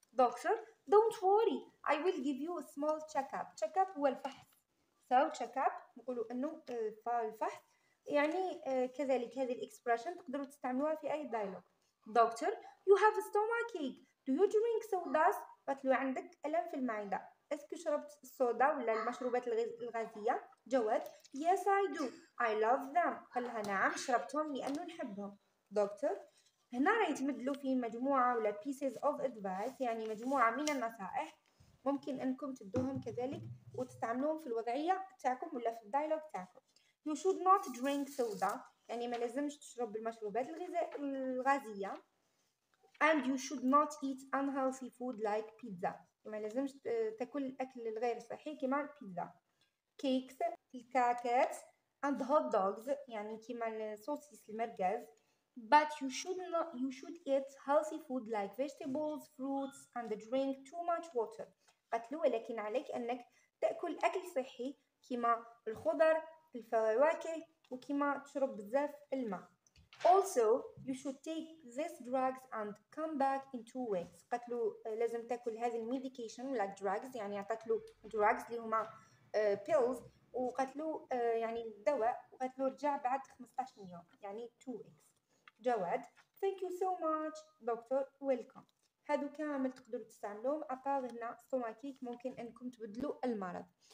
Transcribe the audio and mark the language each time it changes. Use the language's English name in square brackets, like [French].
[English] Doctor, don't worry, I will give you a small check-up. [Arabic] Check-up هو الفحص. So, check-up, نقولوا أنه الفحص. يعني كذلك هذه الإكسبرشن تقدروا تستعملوها في أي دايلوج. [English] Doctor, you have a stomachache, do you drink sodas? [Arabic] بطلو عندك ألم في المعدة, اسكو شربت الصودا ولا المشروبات الغازية؟ جواد, [English] yes I do, I love them. [Arabic] قالها نعم شربتهم لأنه نحبهم. دكتور, هنا رأيت مدلو في مجموعة ولا [English] pieces of advice, [Arabic] يعني مجموعة من النصائح ممكن أنكم تبدوهم كذلك وتستعملوهم في الوضعية تاعكم ولا في الدايلوج تاعكم. [English] You should not drink soda, [Arabic] يعني ما لازمش تشرب المشروبات الغازية. [English] And you should not eat unhealthy food like pizza, [Arabic] ما لازمش تاكل الأكل الغير صحي كما البيتزا. Cakes, الكاكات, [English] and hot dogs, [Arabic] يعني كما السوسيس المرقز. [English] But you should eat healthy food like vegetables, fruits, and drink too much water. [Arabic] قتلو, ولكن عليك أنك تأكل أكل صحي كما الخضر الفواكه وكما تشرب بزاف الماء. [English] Also, you should take these drugs and come back in 2 weeks. [Arabic] قتلو لازم تاكل هذه الميديكيشن ولا drugs, يعني عطاتلو drugs اللي هما pills, وقتلو يعني الدواء, وقتلو رجع بعد 15 يوم يعني [English] 2 weeks. جواد, thank you so much, doctor, welcome. [Arabic] هادو كامل تقدروا تستعملوهم أفاغ هنا stomachache, ممكن أنكم تبدلوا المرض.